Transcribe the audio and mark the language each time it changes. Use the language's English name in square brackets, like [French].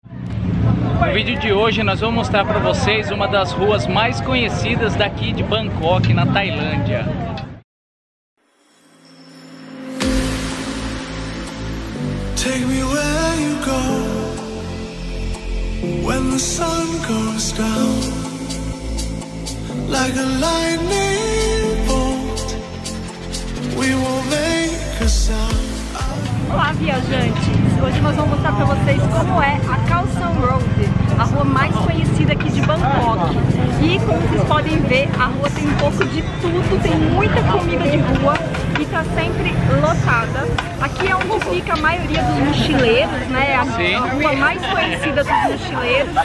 [Portuguese] No vídeo de hoje nós vamos mostrar para vocês uma das ruas mais conhecidas daqui de Bangkok, na Tailândia. [English] Take me where you go, when the sun goes down, like a lightning bolt, we will make a sound. [Portuguese] Olá, viajantes! Hoje nós vamos mostrar para vocês como é a Khao San Road, a rua mais conhecida aqui de Bangkok. E como vocês podem ver, a rua tem um pouco de tudo, tem muita comida de rua e está sempre lotada. Aqui é onde fica a maioria dos mochileiros, né? A rua mais conhecida dos mochileiros.